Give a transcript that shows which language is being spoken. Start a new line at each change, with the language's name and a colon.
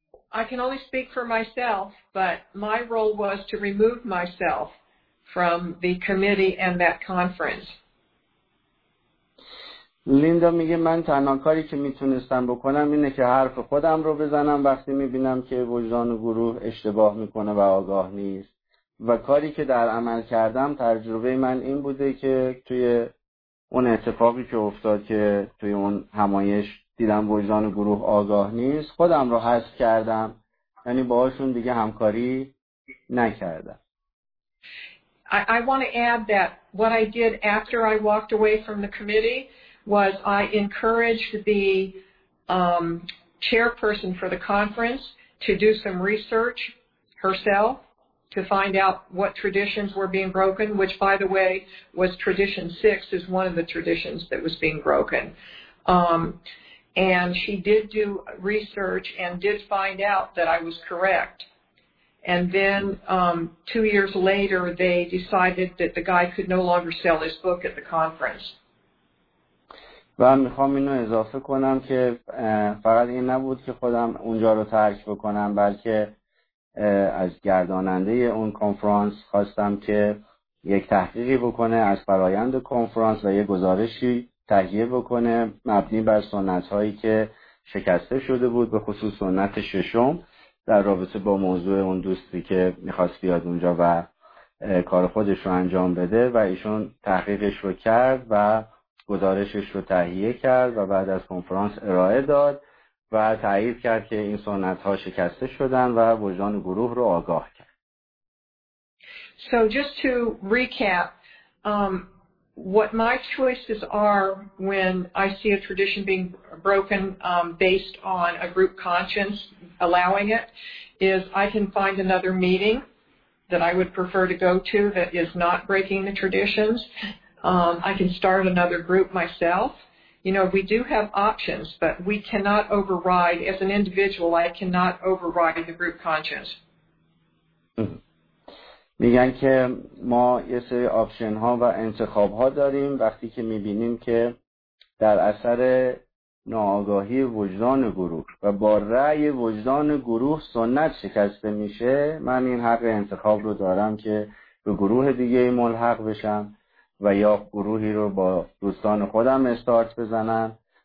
English: I can only speak for myself, but my role was to remove myself from the committee and that conference.
Persian: لیندا میگه من تنها کاری که میتونستم بکنم اینه که حرف خودم رو بزنم وقتی میبینم که وجدان گروه اشتباه میکنه و آگاه نیست، و کاری که در عمل کردم تجربه من این بوده که توی اون اتفاقی که افتاد که توی اون همایش دیدم وجدان گروه آگاه نیست، خودم رو حذف کردم، یعنی باهاشون دیگه همکاری نکردم.
English: I want to add that what I did after I walked away from the committee was I encouraged the chairperson for the conference to do some research herself to find out what traditions were being broken, which, by the way, was tradition six is one of the traditions that was being broken. And she did do research and did find out that I was correct. And then 2 years later, they decided that the guy could no longer sell his book at the conference.
Persian: من میخوام اینو اضافه کنم که فقط این نبود که خودم اونجا رو ترک بکنم، بلکه از گرداننده اون کنفرانس خواستم که یک تحقیقی بکنه از فرایند کنفرانس و یک گزارشی تهیه بکنه مبنی بر سنت‌هایی که شکسته شده بود، به خصوص سنت ششم، در رابطه با موضوع اون دوستی که میخواست بیاد اونجا و کار خودش رو انجام بده، و ایشون تحقیقش رو کرد و گزارشش رو تهیه کرد و بعد از کنفرانس ارائه داد و تایید کرد که این سنت ها شکسته شدن و وجدان گروه رو آگاه کرد.
English: So just to recap, what my choices are when I see a tradition being broken based on a group conscience allowing it is I can find another meeting that I would prefer to go to that is not breaking the traditions. I can start another group myself. You know, we do have options, but we cannot override, as an individual, I cannot override the group conscience.
Persian: میگن که ما یه سری آپشن ها و انتخاب ها داریم وقتی که میبینیم که در اثر ناآگاهی وجدان گروه و با رأی وجدان گروه سنت شکسته میشه، من این حق انتخاب رو دارم که به گروه دیگه ملحق بشم و یا گروهی رو با دوستان خودم استارت بزنم.